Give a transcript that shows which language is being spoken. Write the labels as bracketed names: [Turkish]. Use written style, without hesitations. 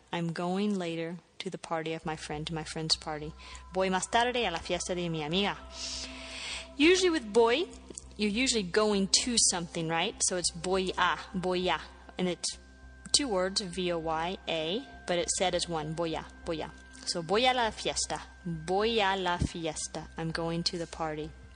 [English] I'm going later to the party of my friend. To my friend's party. [Spanish] Voy más tarde a la fiesta de mi amiga. [English] Usually with voy, you're usually going to something, right? So it's [Spanish] voy a. Voy a. [English] And it's two words. V-O-Y-A. But it's said as one. [Spanish] Voy a. Voy a. So voy a la fiesta. Voy a la fiesta. [English] I'm going to the party.